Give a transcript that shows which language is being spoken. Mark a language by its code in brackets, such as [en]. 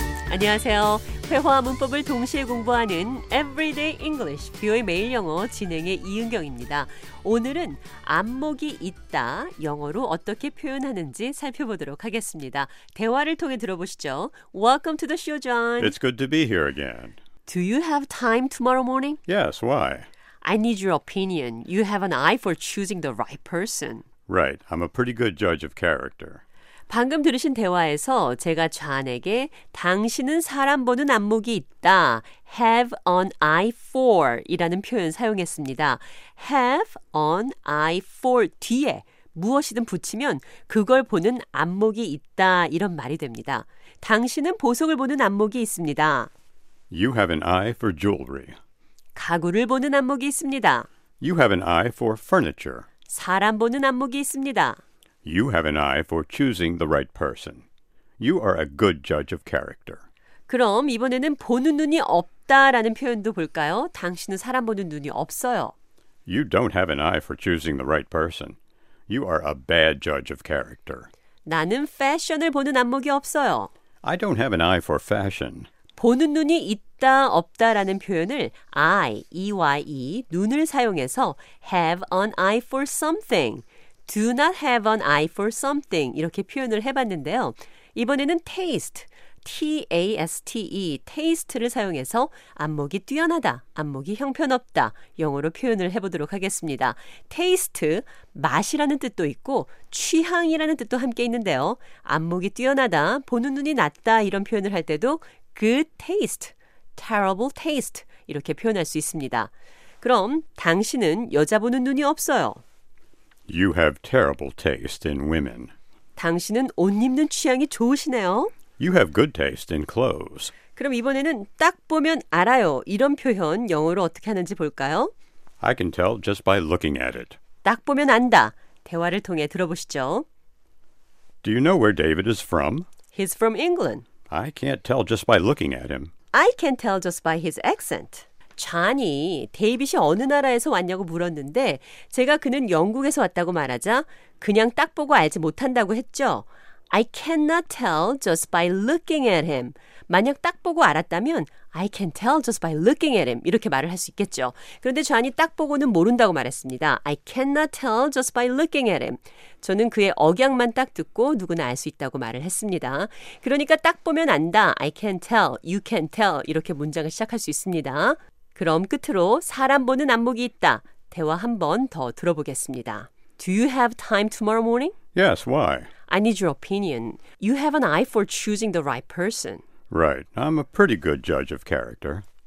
[ko] 안녕하세요. 회화와 문법을 동시에 공부하는 Everyday English, VOA 매일 영어 진행의 이은경입니다. 오늘은 안목이 있다, 영어로 어떻게 표현하는지 살펴보도록 하겠습니다. 대화를 통해 들어보시죠. [en] Welcome to the show, John. It's good to be here again. Do you have time tomorrow morning? Yes, why? I need your opinion. You have an eye for choosing the right person. Right, I'm a pretty good judge of character. [ko] 방금 들으신 대화에서 제가 존에게 당신은 사람 보는 안목이 있다, [en] have an eye for [ko] 이라는 표현 사용했습니다. have an eye for 뒤에 무엇이든 붙이면 그걸 보는 안목이 있다 이런 말이 됩니다. 당신은 보석을 보는 안목이 있습니다. [en] You have an eye for jewelry. [ko] 가구를 보는 안목이 있습니다. [en] You have an eye for furniture. [ko] 사람 보는 안목이 있습니다. [en] You have an eye for choosing the right person. You are a good judge of character. [ko] 그럼 이번에는 보는 눈이 없다라는 표현도 볼까요? 당신은 사람 보는 눈이 없어요. [en] You don't have an eye for choosing the right person. You are a bad judge of character. [ko] 나는 패션을 보는 안목이 없어요. [en] I don't have an eye for fashion. [ko] 보는 눈이 있다, 없다라는 표현을 I, E-Y-E, 눈을 사용해서 [en] have an eye for something, do not have an eye for something [ko] 이렇게 표현을 해봤는데요. 이번에는 taste, T-A-S-T-E, taste를 사용해서 안목이 뛰어나다, 안목이 형편없다, 영어로 표현을 해보도록 하겠습니다. taste, 맛이라는 뜻도 있고 취향이라는 뜻도 함께 있는데요. 안목이 뛰어나다, 보는 눈이 낫다 이런 표현을 할 때도 [en] good taste, terrible taste [ko] 이렇게 표현할 수 있습니다. 그럼 당신은 여자 보는 눈이 없어요. [en] You have terrible taste in women. [ko] 당신은 옷 입는 취향이 좋으시네요. [en] You have good taste in clothes. [ko] 그럼 이번에는 딱 보면 알아요. 이런 표현 영어로 어떻게 하는지 볼까요? [en] I can tell just by looking at it. [ko] 딱 보면 안다. 대화를 통해 들어보시죠. [en] Do you know where David is from? He's from England. I can't tell just by looking at him. I can tell just by his accent. [ko] 존이 데이빗이 어느 나라에서 왔냐고 물었는데 제가 그는 영국에서 왔다고 말하자 그냥 딱 보고 알지 못한다고 했죠. [en] I cannot tell just by looking at him. [ko] 만약 딱 보고 알았다면 [en] I can tell just by looking at him [ko] 이렇게 말을 할 수 있겠죠. 그런데 존이 딱 보고는 모른다고 말했습니다. [en] I cannot tell just by looking at him. [ko] 저는 그의 억양만 딱 듣고 누구나 알 수 있다고 말을 했습니다. 그러니까 딱 보면 안다. [en] I can tell, you can tell [ko] 이렇게 문장을 시작할 수 있습니다. 그럼 끝으로 사람 보는 안목이 있다. 대화 한 번 더 들어보겠습니다. [en] Do you have time tomorrow morning? Yes, why? I need your opinion. You have an eye for choosing the right person. Right. I'm a pretty good judge of character.